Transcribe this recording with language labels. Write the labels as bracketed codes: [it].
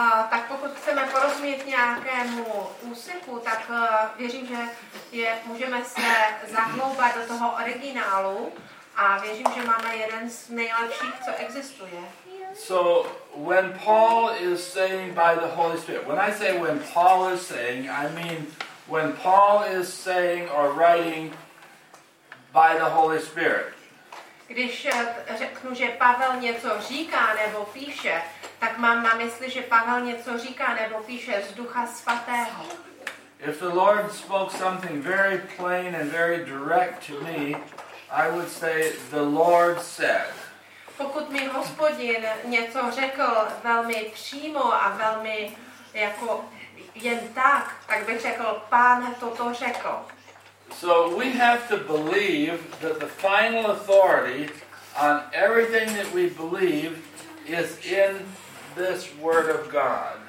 [cs] Tak pokud chceme porozumět nějakému úseku, tak věřím, že můžeme se zahloubat do toho originálu. A věřím, že máme jeden z nejlepších, co existuje. [en] So when Paul is saying by the Holy Spirit, when I say when Paul is saying, I mean when Paul is saying or writing by the Holy Spirit. [cs] Když řeknu, že Pavel něco říká nebo píše, tak mám na mysli, že Pavel něco říká nebo píše z Ducha Svatého. [en] If the Lord spoke something very plain and very direct to me, I would say the Lord said. [cs] Pokud mi Hospodin něco řekl velmi přímo a velmi jako jen tak, tak bych řekl, Pán toto řekl. [en] So we have to believe that the final authority on everything that we believe is in this Word of God.